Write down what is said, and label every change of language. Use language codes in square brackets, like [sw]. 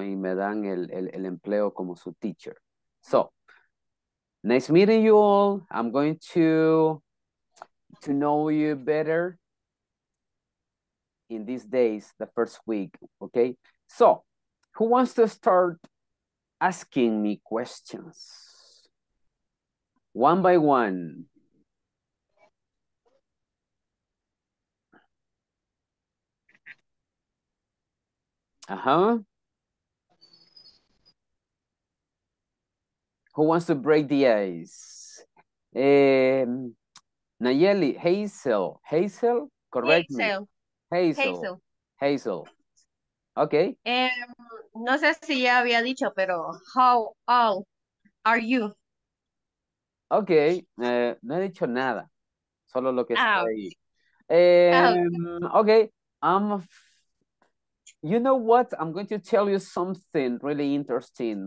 [es] Y me dan el empleo como su teacher. [en] So, nice meeting you all. I'm going to know you better in these days, the first week, okay? So, who wants to start asking me questions? One by one. Who wants to break the ice? Nayeli, Hazel, correct Hazel. Me. Hazel. Okay. [es] No sé si ya había dicho, pero [en] how old are you? [es] Okay, no he dicho nada, solo lo que está ahí. [en] Okay, you know what? I'm going to tell you something really interesting.